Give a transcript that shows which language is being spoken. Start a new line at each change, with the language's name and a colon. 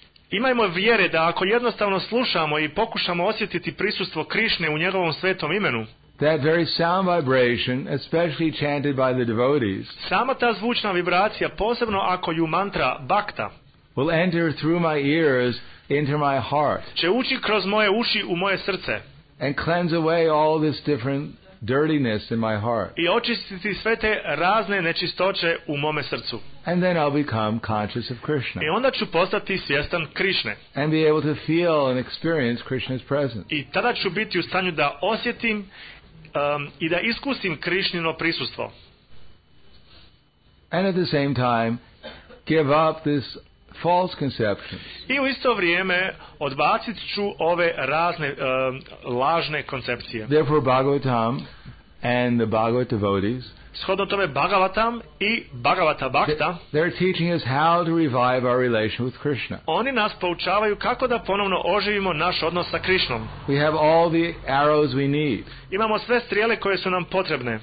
Bosnian: Imajmo vjere da ako jednostavno slušamo i pokušamo osjetiti prisustvo Krishne u njegovom svetom imenu,
English: that very sound vibration, especially chanted by the devotees,
Bosnian: sama ta zvučna vibracija, posebno ako ju mantra bhakta,
English: will enter through my ears into my heart,
Bosnian: će ući kroz moje uši u moje srce,
English: and cleanse away all this different dirtiness in my heart,
Bosnian: i očistiti sve te razne nečistoće u mome srcu,
English: and then I'll become conscious of Krishna,
Bosnian: i onda ću postati svjestan Krishne,
English: and be able to feel and experience Krishna's presence,
Bosnian: i tada ću biti u stanju da osjetim i da iskusim Krišnino prisustvo.
English: And at the same time, give up this false conception.
Bosnian: I u isto vrijeme odbacit ću ove razne lažne koncepcije.
English: Therefore, Bhagavatam and the Bhagavat devotees.
Bosnian: Shodno tome Bhagavatam i Bhagavata Bhakta.
English: They're teaching us how to revive our relation with Krishna.
Bosnian: Oni nas poučavaju kako da ponovno oživimo naš odnos sa Krishnom.
English: We have all the arrows we need.
Bosnian: Imamo sve strijele koje su nam potrebne.